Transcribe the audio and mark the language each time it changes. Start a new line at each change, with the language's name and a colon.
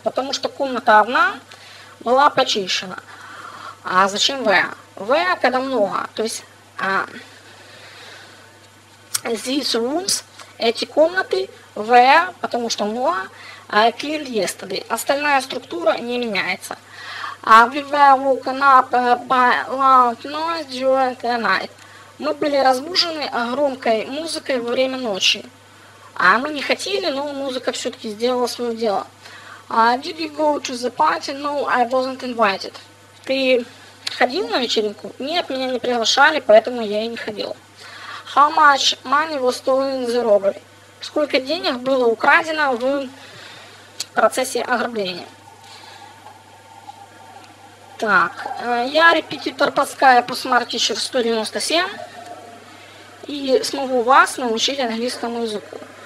Russian: Потому что комната одна была почищена. А зачем where? Where, когда много. То есть
English: these rooms,
Russian: эти комнаты, where, потому что много,
English: clean yesterday.
Russian: Остальная структура не меняется.
English: We were woken up by loud noise during the night.
Russian: Мы были разбужены громкой музыкой во время ночи. Мы не хотели, но музыка все-таки сделала свое дело.
English: Did you go to the party? No, I wasn't invited.
Russian: Ты ходил на вечеринку? Нет, меня не приглашали, поэтому я и не ходил.
English: How much money was stolen in the robbery?
Russian: Сколько денег было украдено в процессе ограбления? Так, я репетитор по Skype Smart Teacher 197 и смогу вас научить английскому языку.